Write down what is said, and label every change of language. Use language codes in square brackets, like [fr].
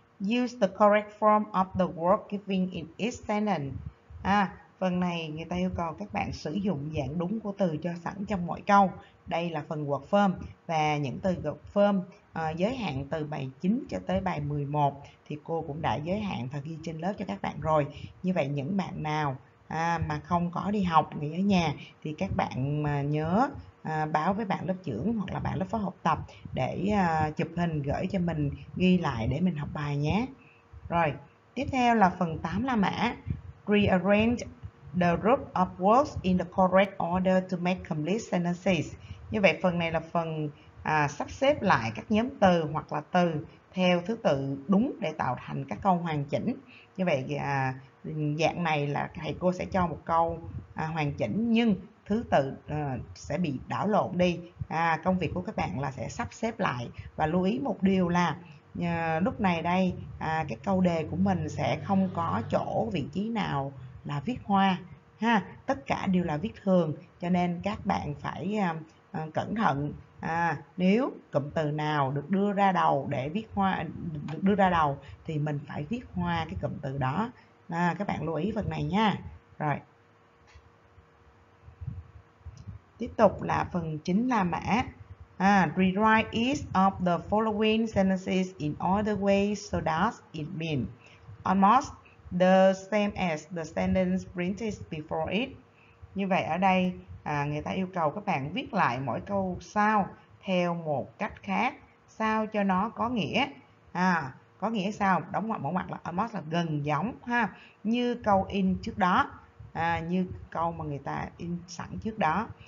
[en] Use the correct form of the word given in each sentence. [vi] Phần này người ta yêu cầu các bạn sử dụng dạng đúng của từ cho sẵn trong mỗi câu. Đây là phần word form và những từ word form giới hạn từ bài 9 cho tới bài 11 thì cô cũng đã giới hạn và ghi trên lớp cho các bạn rồi. Như vậy những bạn nào mà không có đi học, nghỉ ở nhà thì các bạn nhớ báo với bạn lớp trưởng hoặc là bạn lớp phó học tập để chụp hình gửi cho mình ghi lại để mình học bài nhé. Rồi, tiếp theo là phần 8 La Mã. [en] Rearrange the group of words in the correct order to make complete sentences. [vi] Như vậy phần này là phần sắp xếp lại các nhóm từ hoặc là từ theo thứ tự đúng để tạo thành các câu hoàn chỉnh. Như vậy dạng này là thầy cô sẽ cho một câu hoàn chỉnh nhưng thứ tự sẽ bị đảo lộn đi. Công việc của các bạn là sẽ sắp xếp lại. Và lưu ý một điều là lúc này đây cái câu đề của mình sẽ không có chỗ vị trí nào là viết hoa ha, tất cả đều là viết thường, cho nên các bạn phải cẩn thận. Nếu cụm từ nào được đưa ra đầu để viết hoa, được đưa ra đầu thì mình phải viết hoa cái cụm từ đó. Các bạn lưu ý phần này nha. Rồi tiếp tục là phần 9 La Mã. [en] Rewrite each of the following sentences in other ways so that it means almost the same as the sentence printed before it. [vi] Như vậy ở đây người ta yêu cầu các bạn viết lại mỗi câu sau theo một cách khác sao cho nó có nghĩa. Có nghĩa sao? Đóng ngoặc mở ngoặc là almost là gần giống ha, như câu in trước đó, như câu mà người ta in sẵn trước đó.